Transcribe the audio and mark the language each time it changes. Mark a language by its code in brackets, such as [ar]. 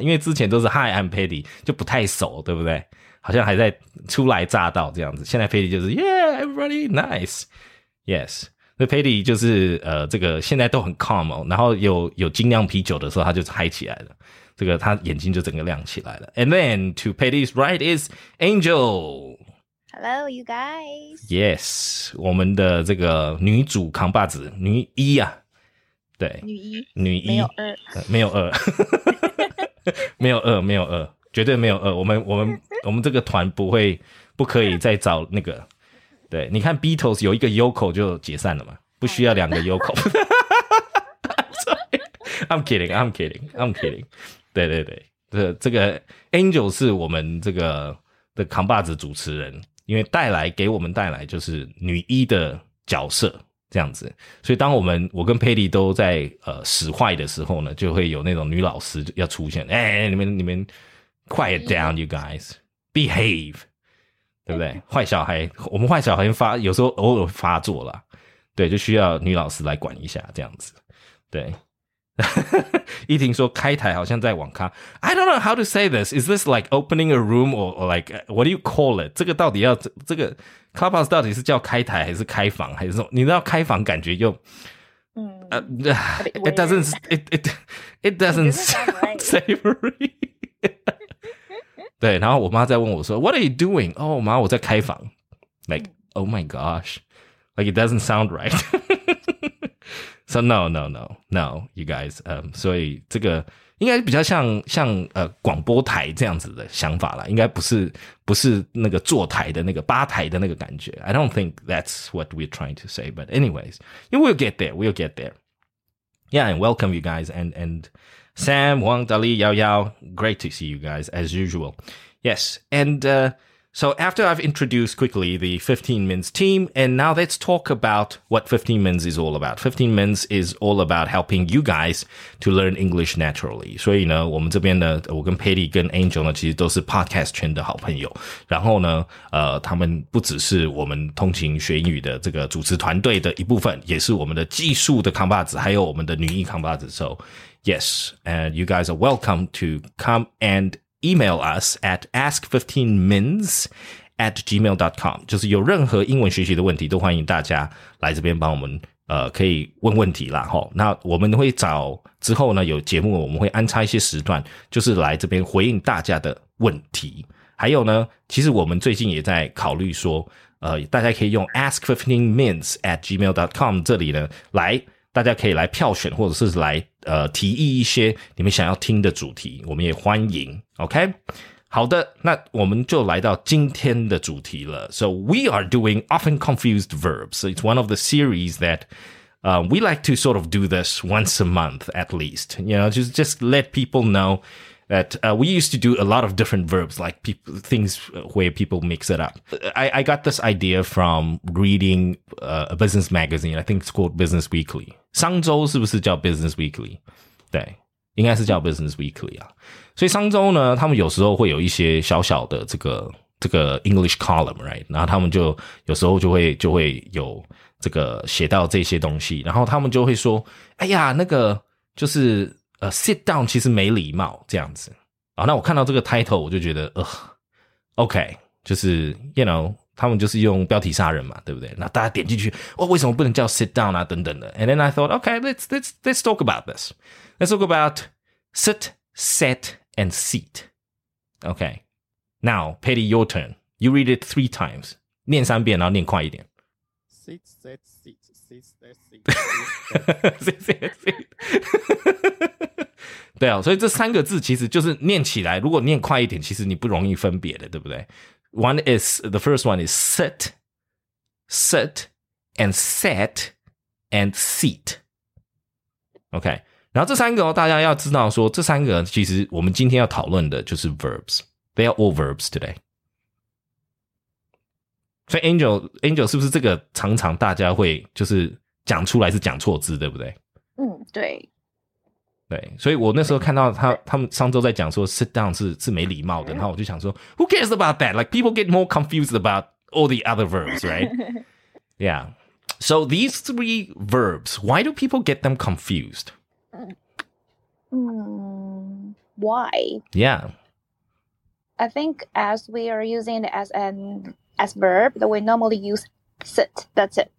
[zh] 因为之前都是 [en] Hi, I'm Petty, [zh] 就不太熟，对不对？好像还在初来乍到这样子。现在 Petty 就是 [en] Yeah, everybody, nice. Yes. [zh] 那 Petty 就是这个现在都很 calm 哦，然后有精酿啤酒的时候他就嗨起来了，这个他眼睛就整个亮起来了。 [en] And then to Petty's right is Angel. Hello, you guys. [zh] Yes, 我们的这个女主扛把子，女一啊，对，女一，没有二，没有二，没有二，绝对没有二。我们这个团不可以再找那个。对，你看 Beatles 有一个 Yoko 就解散了嘛，不需要两个 Yoko. [en] I'm kidding. [zh] 对对对，这个 Angel 是我们这个的扛把子主持人。因为给我们带来就是女一的角色这样子，所以当我跟佩莉都在使坏的时候呢，就会有那种女老师要出现，哎，你们 [en] quiet down, you guys, behave, [zh] 对不对？坏小孩，我们坏小孩有时候偶尔发作了，对，就需要女老师来管一下这样子，对。一婷说开台好像在网咖。 [en] I don't know how to say this. Is this like opening a room or like what do you call it? [zh] 这个到底要这个 Clubhouse 到底是叫开台还是开房还是什么？你知道开房感觉又 [en] It doesn't savory. [zh] 对，然后我妈在问我说 [en] What are you doing? [zh] 哦，妈，我在开房。 [en] Like, oh my gosh. Like it doesn't sound right. So no, you guys. [zh] 所以这个应该比较像广播台这样子的想法啦，应该不是那个坐台的那个吧台的那个感觉。 [en] I don't think that's what we're trying to say. But anyways, we'll get there. We'll get there. Yeah, and welcome you guys. And Sam, Wang, Dali, Yao Yao, great to see you guys as usual. Yes, and so after I've introduced quickly the 15 Minutes team, and now let's talk about what 15 Minutes is all about. 15 Minutes is all about helping you guys to learn English naturally. [zh] 所以呢，我们这边呢，我跟 Patty 跟 Angel 呢，其实都是 podcast 圈的好朋友。然后呢，他们不只是我们通勤学英语的这个主持团队的一部分，也是我们的技术的扛把子，还有我们的女一扛把子。 [en] So yes, and you guys are welcome to come and email us at ask15mins@gmail.com. [zh] 就是有任何英文学习的问题都欢迎大家来这边帮我们可以问问题啦齁。那我们会找之后呢有节目我们会安插一些时段就是来这边回应大家的问题。还有呢其实我们最近也在考虑说大家可以用 ask15mins@gmail.com 这里呢来大家可以来票选或者是来提议一些你们想要听的主题，我们也欢迎。 OK， 好的，那我们就来到今天的主题了。 [en] So we are doing often confused verbs. It's one of the series that we like to sort of do this once a month at least. You know, just let people know that we used to do a lot of different verbs, like things where people mix it up. I got this idea from reading a business magazine. I think it's called Business Weekly. [zh] 商周是不是叫 Business Weekly? 对，应该是叫 Business Weekly 啊。所以商周呢，他们有时候会有一些小小的这个 [en] English column, right? [zh] 然后他们就有时候就会有这个写到这些东西，然后他们就会说，哎呀，那个就是sit down 其实没礼貌这样子。啊，那我看到这个 title 我就觉得OK, 就是 you know,他们就是用标题杀人嘛，对不对？那大家点进去，哦，为什么不能叫 sit down 啊？等等的。 [en] And then I thought, okay, let's talk about this. Let's talk about sit, set, and seat. Okay. Now, Petty, your turn. You read it three times. [zh] 念三遍，然后念快一点。 [en] Sit, sit, sit, sit, sit, sit, sit, sit, sit, sit, sit. [zh] 对啊，所以这三个字其实就是念起来，如果念快一点，其实你不容易分别的，对不对？ [en] One is, the first one is sit, sit, and set, and seat. [zh] OK, 然后这三个、哦、大家要知道说，这三个其实我们今天要讨论的就是 verbs. [en] They are all verbs today. [zh] 所以 Angel 是不是这个常常大家会就是讲出来是讲错字，对不对？嗯，对。对，所以我那时候看到他们上周在讲说 sit down 是没礼貌的，然后我就想说 [en] who cares about that? Like people get more confused about all the other verbs, right? Yeah. So these three verbs, why do people get them confused? Why? Yeah. I think as we are using it as verb, that we normally use sit, that's it.